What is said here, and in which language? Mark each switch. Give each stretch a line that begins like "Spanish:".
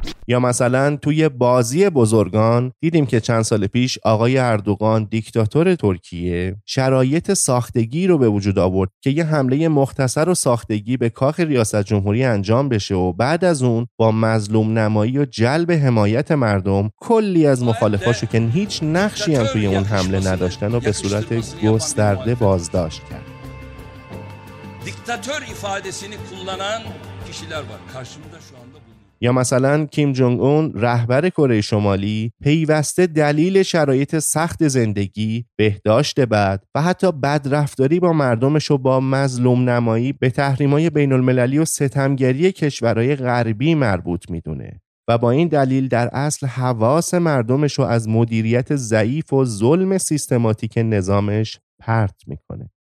Persian: یا مثلا توی بازی بزرگان دیدیم که چند سال پیش آقای اردوغان دیکتاتور ترکیه شرایط ساختگی رو به وجود آورد که یه حمله مختصر و ساختگی به کاخ ریاست جمهوری انجام بشه و بعد از اون با مظلوم نمایی و جلب حمایت مردم کلی از مخالفاشو که هیچ نقشی هم توی اون حمله نداشتن و به صورت گسترده بازداشت کرد.
Turkish: دیکتاتور ifadesini kullanan kişiler var. Karşımda şu anda.
Persian: یا مثلا کیم جونگ اون رهبر کره شمالی پیوسته دلیل شرایط سخت زندگی، بهداشت بد و حتی بد رفتاری با مردمش و با مظلوم نمایی به تحریمای بین المللی و ستمگری کشورهای غربی مربوط میدونه و با این دلیل در اصل حواس مردمش رو از مدیریت ضعیف و ظلم سیستماتیک نظامش پرت میکنه.